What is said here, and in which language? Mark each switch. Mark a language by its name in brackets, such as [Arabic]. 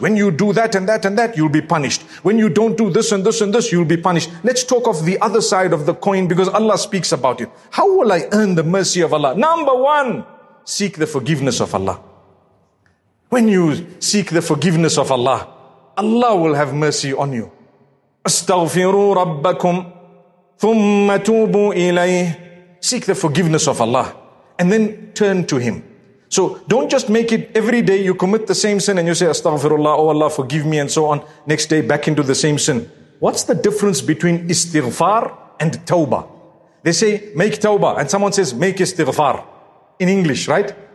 [English] When you do that and that and that, you'll be punished. When you don't do this and this and this, you'll be punished. Let's talk of the other side of the coin, because Allah speaks about it. How will I earn the mercy of Allah? Number one, seek the forgiveness of Allah. When you seek the forgiveness of Allah, Allah will have mercy on you. [Arabic] استغفروا ربكم ثم توبوا إليه. [English] Seek the forgiveness of Allah and then turn to Him. So don't just make it every day you commit the same sin and you say, Astaghfirullah, oh Allah, forgive me, and so on. Next day, back into the same sin. What's the difference between istighfar and tawbah? They say, make tawbah, and someone says, make istighfar. In English, right?